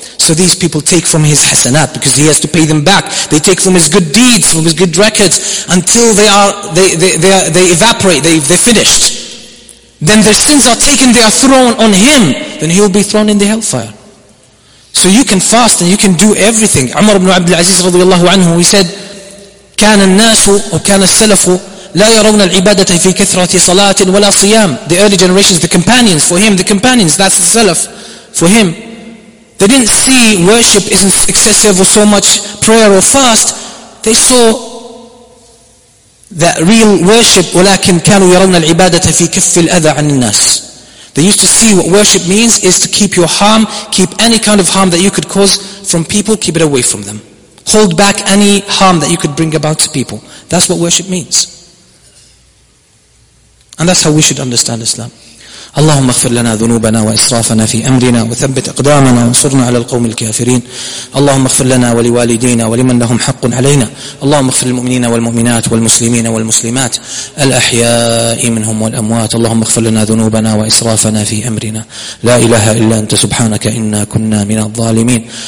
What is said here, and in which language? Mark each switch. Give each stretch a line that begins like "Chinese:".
English: So these people take from his hasanat because he has to pay them back. They take from his good deeds, from his good records, until they evaporate, they've finished. Then their sins are taken, they are thrown on him. Then he will be thrown in the hellfire. So you can fast and you can do everything.
Arabic: Umar ibn Abdul Aziz radiallahu anhu,
English: he said,
Arabic: كان الناس أو كان السلف لا يرون العبادة في كثرة صلاة ولا صيام.
English: The early generations, the companions, for him, the companions, that's the salaf, for him. They didn't see worship isn't excessive or so much prayer or fast. They saw that real worship,
Arabic: ولكن كانوا يرون العبادة في كف الأذى عن الناس.
English: They used to see what worship means is to keep your harm, keep any kind of harm that you could cause from people, keep it away from them. Hold back any harm that you could bring about to people. That's what worship means. And that's how we should understand Islam.
Arabic: اللهم اغفر لنا ذنوبنا وإسرافنا في أمرنا وثبت أقدامنا وانصرنا على القوم الكافرين. اللهم اغفر لنا ولوالدينا ولمن لهم حق علينا. اللهم اغفر للمؤمنين والمؤمنات والمسلمين والمسلمات الأحياء منهم والأموات. اللهم اغفر لنا ذنوبنا وإسرافنا في أمرنا. لا إله إلا أنت سبحانك إنا كنا من الظالمين.